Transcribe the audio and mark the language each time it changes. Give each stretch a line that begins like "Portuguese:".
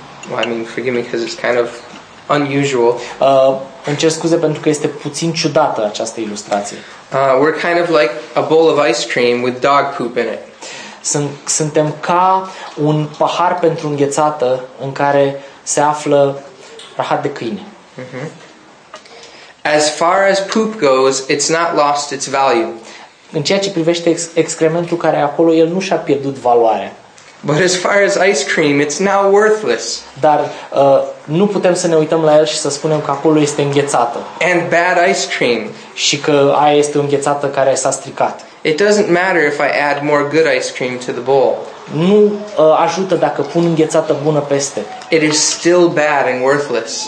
English: Well, I mean, forgive me because it's kind of unusual.
Romanian: Îmi cer scuze pentru că este puțin ciudată această ilustrație.
English: We're kind of like a bowl of ice cream with dog poop in it.
Romanian: Suntem ca un pahar pentru înghețată în care se află rahat de câine.
English: As far as poop goes, it's not lost its value.
Romanian: În ceea ce privește excrementul care e acolo, el nu și-a pierdut valoarea.
English: But as far as ice cream, it's now worthless.
Romanian: Dar nu putem să ne uităm la el și să spunem că acolo este înghețată.
English: And bad ice cream.
Romanian: Și că aia este o înghețată care s-a stricat.
English: It doesn't matter if I add more good ice cream to the bowl.
Romanian: Nu ajută dacă pun înghețată bună peste.
English: It is still bad and worthless.